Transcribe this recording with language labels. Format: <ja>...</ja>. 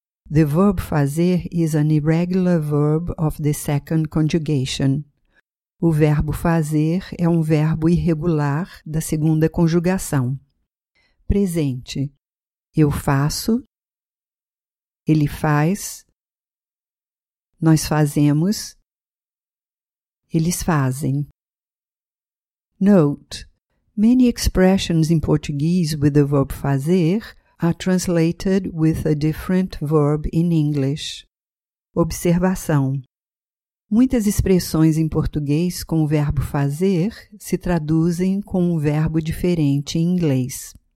<en>The verb fazer is an irregular verb of the second conjugation.</en> <pt>O verbo fazer é um verbo irregular da segunda conjugação. Presente. Eu faço. Ele faz. Nós fazemos. Eles fazem.</pt> <en>Note. Many expressions in Portuguese with the verb fazer are translated with a different verb in English.</en> <pt>Observação. Muitas expressões em português com o verbo fazer se traduzem com um verbo diferente em inglês.</pt>